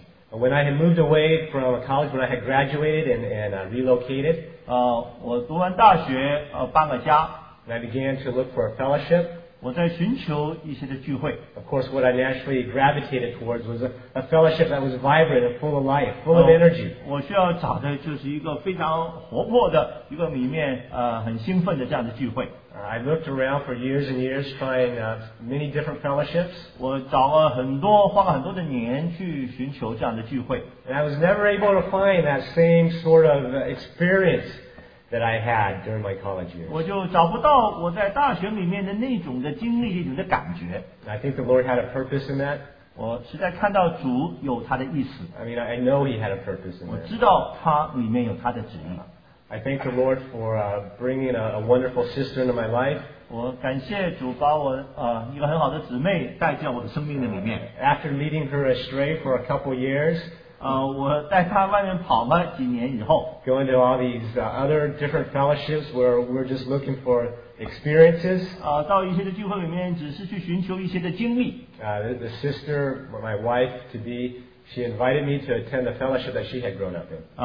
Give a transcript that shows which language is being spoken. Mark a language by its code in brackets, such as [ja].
[en] When I had moved away from college, when I had graduated and relocated, [zh] 我读完大学, 搬了家, [en] and I began to look for a fellowship, [zh] 我在寻求一些的聚会, [en] of course what I naturally gravitated towards was a fellowship that was vibrant and full of life, full of energy. [zh] 我需要找的就是一个非常活泼的,一个里面, 很兴奋的这样的聚会。 [en] I looked around for years and years trying many different fellowships. [zh] 我找了很多, 花了很多的年去寻求这样的聚会。 [en] And I was never able to find that same sort of experience that I had during my college years. [zh] 我就找不到我在大学里面的那种的经历,那种的感觉。 [en] I think the Lord had a purpose in that. [zh] 我实在看到主有他的意思。 [en] I mean, I know He had a purpose in that. [zh] 我知道他里面有他的旨意。 [en] I thank the Lord for bringing a wonderful sister into my life. [zh] 我感谢主把我, 一个很好的姊妹带进我的生命的里面。 [en] After leading her astray for a couple years, [zh] 我带她外面跑了几年以后, [en] going to all these other different fellowships where we're just looking for experiences, [zh] 到一些的聚会里面只是去寻求一些的经历。 [en] The sister, my wife to be, she invited me to attend the fellowship that she had grown up in.